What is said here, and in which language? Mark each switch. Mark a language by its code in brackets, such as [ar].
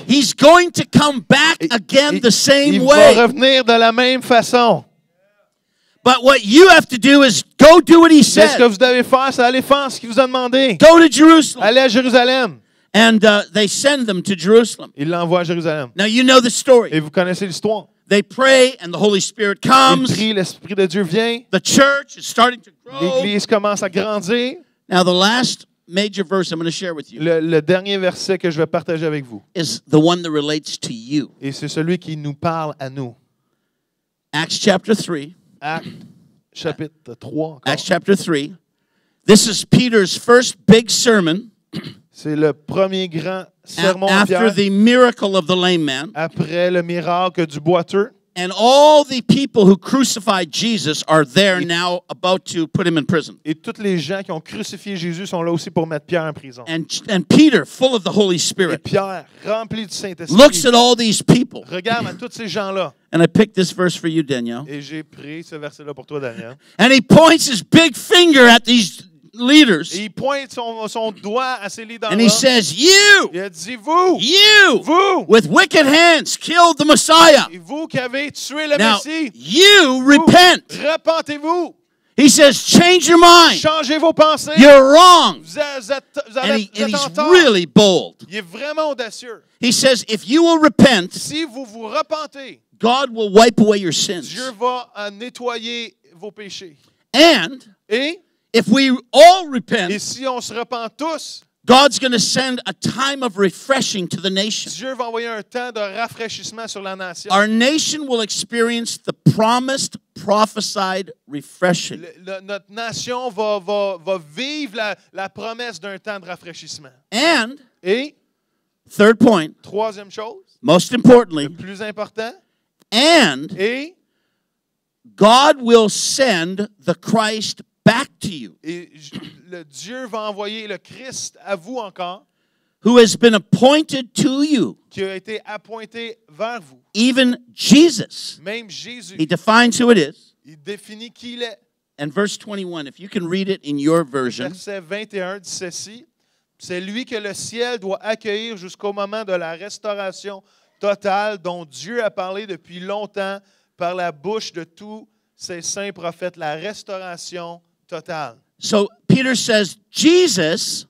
[en] He's going to come back again the same [fr] il [en] way. [fr] Il va revenir de la même façon. [en] But what you have to do is go do what he said. [fr] Ce que vous devez faire, c'est aller faire ce qu'il vous a demandé. [en] Go to Jerusalem. [fr] Allez à Jérusalem. [en] And they send them to Jerusalem. [fr] Ils l'envoient à Jérusalem. [en] Now you know the story. [fr] Et vous connaissez l'histoire. [en] They pray and the Holy Spirit comes. [fr] Ils prient, l'Esprit de Dieu vient. [en] The church is starting to grow. [fr] L'église commence à grandir. [en] Now the last major verse I'm going to share with you. [fr] Le dernier verset que je vais partager avec vous. [en] Is the one that relates to you. [fr] Et c'est celui qui nous parle à nous. [en] Acts chapter 3. Acts chapter 3. This is Peter's first big sermon. [fr] C'est le premier grand sermon [en] after [fr] Pierre. [en] The miracle of the lame man. [fr] Après le miracle du boiteux. [en] And all the people who crucified Jesus are there now about to put him in prison. [fr] Et toutes les gens qui ont crucifié Jésus sont là aussi pour mettre Pierre en prison. [en] And Peter, full of the Holy Spirit. [fr] Et Pierre, rempli du Saint-Esprit. [en] Looks at all these people. [fr] Regarde à toutes ces gens-là. [en] And I picked this verse for you, Daniel. [fr] Et j'ai pris ce verset-là pour toi, Daniel. [en] And he points his big finger at these leaders. [fr] Et il pointe son doigt à ces leaders-là. [en] And he says, you! [fr] Il a dit, vous! [en] You! [fr] Vous! [en] With wicked hands killed the Messiah. [fr] Et vous qui avez tué le [en] now, [fr] Messie. [en] You [fr] vous, [en] repent! [fr] Repentez-vous! [en] He says, change your mind. [fr] Changez vos pensées. [en] You're wrong. [fr] Vous êtes [en] he's really bold. [fr] Il est vraiment audacieux. [en] He says, if you will repent, [fr] si vous vous repentez, [en] God will wipe away your sins. [fr] Dieu va nettoyer vos péchés. [en] And, [fr] et, [en] if we all repent, [fr] et si on se repent tous, [en] God's going to send a time of refreshing to the nation. [fr] Dieu va envoyer un temps de rafraîchissement sur la nation. [en] Our nation will experience the promised, prophesied refreshing. [fr] Notre nation va vivre la promesse d'un temps de rafraîchissement. [en] And, [fr] et, [en] third point, [fr] troisième chose, [en] most importantly, [fr] le plus important, [en] and, [fr] et, [en] God will send the Christ back to you. [fr] Et le Dieu va envoyer le Christ à vous encore. [en] Who has been appointed to you. [fr] Qui a été appointé vers vous. [en] Even Jesus. [fr] Même Jésus. [en] He defines who it is. [fr] Il définit qui il est. [en] And verse 21, if you can read it in your version. [fr] Verset 21 dit ceci. C'est lui que le ciel doit accueillir jusqu'au moment de la restauration totale dont Dieu a parlé depuis longtemps par la bouche de tous ces saints prophètes, la restauration totale. [en] So Peter says Jesus,